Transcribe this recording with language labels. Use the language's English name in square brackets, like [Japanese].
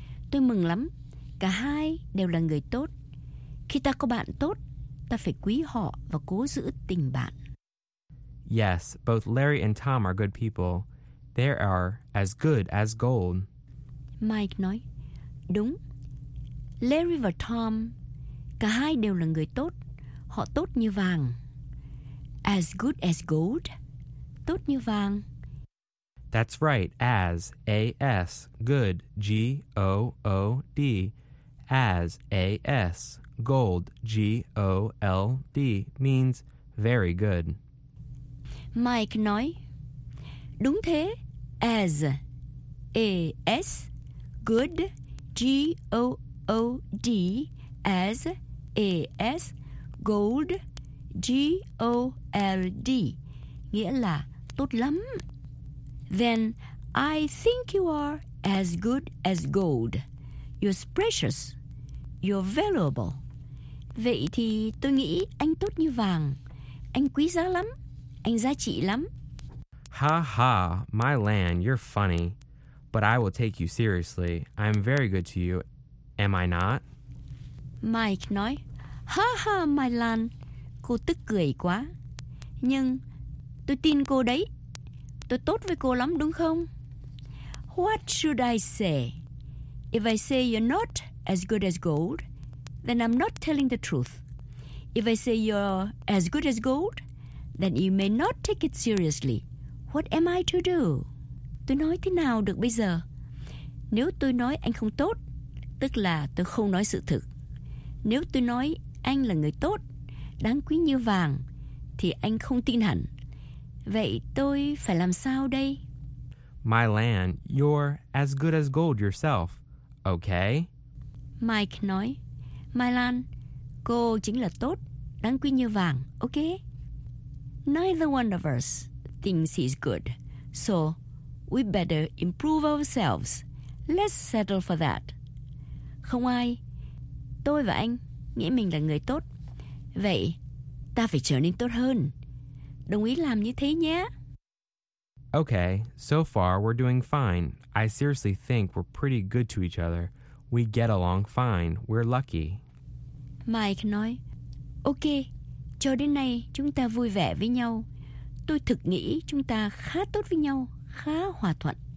[Vietnamese] Tôi mừng lắm, cả hai đều là người tốt. Khi ta có bạn tốt, ta phải quý họ và cố giữ tình bạn. [English] Yes, both Larry and Tom are good people. They are as good as gold. [Vietnamese] Mike nói, đúng. Larry và Tom, cả hai đều là người tốt. Họ tốt như vàng. As good as gold. Tốt như vàng. [English] That's right. As, A-S, good, G-O-O-D. As, A-S, gold, G-O-L-D, means very good. [Vietnamese] Mike nói, đúng thế, as, A-S, good, G-O-O-D, as, A-S, gold, G-O-L-D, nghĩa là tốt lắm. [English] Then, I think you are as good as gold. You're precious. You're valuable. [Vietnamese] Vậy thì tôi nghĩ anh tốt như vàng. Anh quý giá lắm. Anh giá trị lắm. [English] Ha ha, my Lan, you're funny. But I will take you seriously. I'm very good to you, am I not? [Vietnamese] Mike nói, ha ha, my Lan. Cô tức cười quá. Nhưng tôi tin cô đấy. Tôi tốt với cô lắm, đúng không? [English] What should I say? If I say you're not as good as gold, then I'm not telling the truth. If I say you're as good as gold, then you may not take it seriously. What am I to do? [Vietnamese] Tôi nói thế nào được bây giờ? Nếu tôi nói anh không tốt, tức là tôi không nói sự thực. Nếu tôi nói anh là người tốt, đáng quý như vàng, thì anh không tin hẳn. Vậy tôi phải làm sao đây? [English] My Lan, you're as good as gold yourself, okay? [Vietnamese] Mike nói, My Lan, cô chính là tốt, đáng quý như vàng, okay? [English] Neither one of us thinks he's good, so we better improve ourselves. Let's settle for that. [Vietnamese] Không ai, tôi và anh, nghĩ mình là người tốt. Vậy, ta phải trở nên tốt hơn. Đồng ý làm như thế nhé. [English] Okay, so far we're doing fine. I seriously think we're pretty good to each other. We get along fine. We're lucky. [Vietnamese] Mike nói, okay, cho đến nay chúng ta vui vẻ với nhau. Tôi thực nghĩ chúng ta khá tốt với nhau, khá hòa thuận.